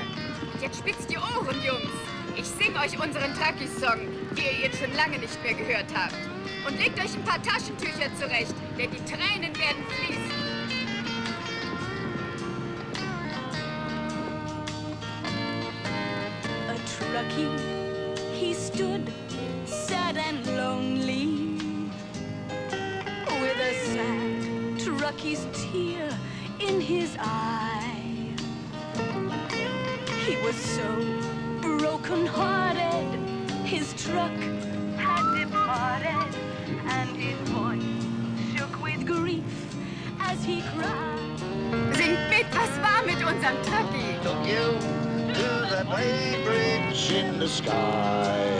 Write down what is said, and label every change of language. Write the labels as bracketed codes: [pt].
[de] Und jetzt spitzt die Ohren, Jungs. Ich sing euch unseren Truckies-Song, den ihr jetzt schon lange nicht mehr gehört habt. Und legt euch ein paar Taschentücher zurecht, denn die Tränen werden fließen. [en] A Truckie, he stood sad and lonely. With a sad Truckie's tear in his eye. He was so broken-hearted, his truck had departed, and his voice shook with grief as he cried. [de] Sing mit, was war mit unserem Truckie? [en] Took you to the bay bridge in the sky.